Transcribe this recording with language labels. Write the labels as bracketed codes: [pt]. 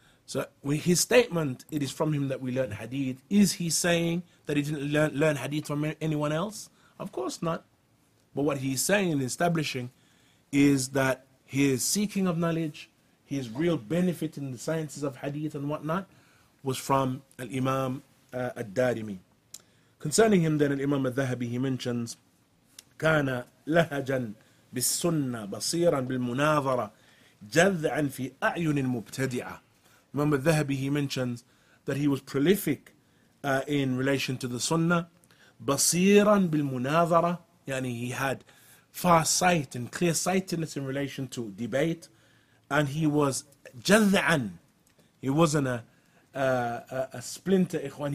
[en] So with his statement, it is from him that we learnt hadith, is he saying that he didn't learn hadith from anyone else? Of course not. But what he's saying and establishing is that his seeking of knowledge, his real benefit in the sciences of hadith and whatnot, was from Al-Imam Ad-Darimi. Concerning him then, Al-Imam Al-Dhahabi, he mentions, [ar] كان لهجا بالسنة بصيرا بالمناظرة جذعا في أعين المبتدعة. [en] Imam Al-Dhahabi, he mentions that he was prolific in relation to the sunnah, [ar] بصيرا بالمناظرة, [en] يعني he had far sight and clear sightedness in relation to debate. And he was jaz'an. He wasn't a splinter, ikhwan.